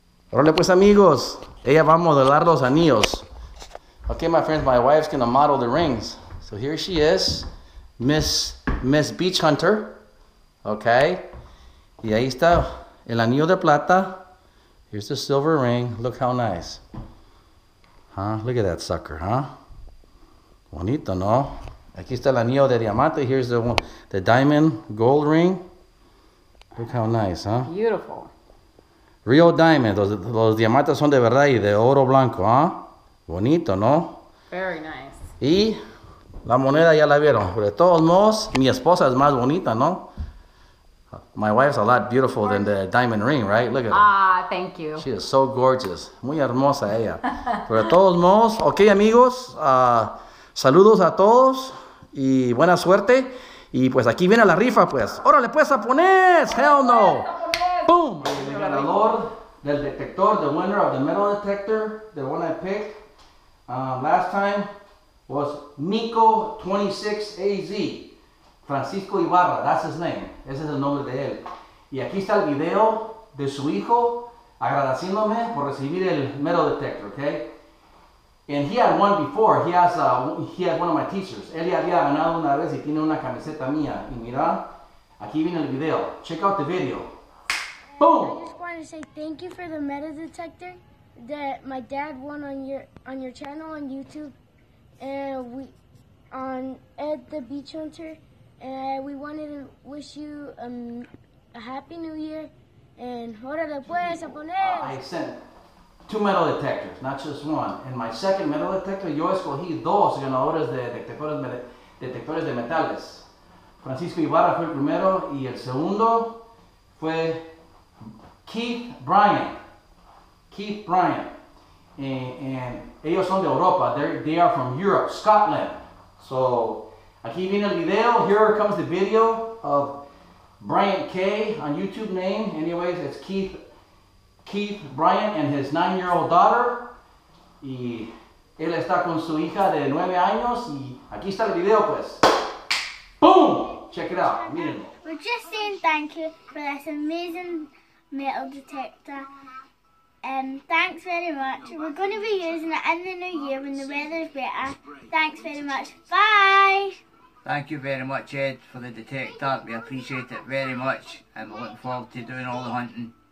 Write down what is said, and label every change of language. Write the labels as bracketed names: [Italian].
[Spanish] Órale pues amigos, ella va a modelar los anillos. [English] Okay, my friends, my wife's gonna model the rings. So here she is, Miss Beach Hunter. [Spanish] Okay, y ahí está el anillo de plata. [English] Here's the silver ring. Look how nice. Huh? Look at that sucker, huh? [Spanish] Bonito, ¿no? Aquí está el anillo de diamante. [English] Here's the diamond gold ring. Look how nice, huh? Beautiful. Real diamond. [Spanish] Los diamantes son de verdad y de oro blanco, ¿ah? Bonito, ¿no? [English] Very nice. [Spanish] Y la moneda ya la vieron. De todos modos, mi esposa es más bonita, ¿no? [English] My wife's a lot beautiful than the diamond ring, right? Look at her. Ah, thank you. She is so gorgeous. [Spanish] Muy hermosa ella. De todos modos, ok, amigos. Saludos a todos y buena suerte. Y pues aquí viene la rifa, pues. ¡Órale, pues, a poner! [English] ¡Hell no! ¡Boom! [Spanish] El ganador del detector, [English] the winner of the metal detector, the one I picked last time, was Nico26AZ, Francisco Ibarra, that's his name, [Spanish] ese es el nombre de él. Y aquí está el video de su hijo agradeciéndome por recibir el metal detector, okay? [English] And he had one before, he has one of my t-shirts. [Spanish] Él ya había ganado una vez y tiene una camiseta mía. Y mira, aquí viene el video, [English] check out the video. [Spanish] Boom. [English] I just want to say thank you for the metal detector that my dad won on your channel on YouTube, and we on Ed the Beach Hunter, and we wanted to wish you a happy new year. [Spanish] And órale pues, a poner. [English] I sent two metal detectors, not just one. And my second metal detector, [Spanish] yo escogí dos ganadores de detectores de metales. Francisco Ibarra fue el primero y el segundo fue Keith Bryan. Keith Bryan. And ellos son de Europa. [English] They are from Europe, Scotland. So, [Spanish] aquí viene el video. [English] Here comes the video of Brian K on YouTube name. Anyways, it's Keith Bryan and his 9-year-old daughter. [Spanish] Y él está con su hija de 9 años. Y aquí está el video, pues. Boom! [English] Check it out. [Spanish] Miren. [English] We're just saying thank you for this amazing metal detector, and thanks very much. We're going to be using it in the new year when the weather's better. Thanks very much. Bye. Thank you very much, Ed, for the detector. We appreciate it very much, and we look forward to doing all the hunting.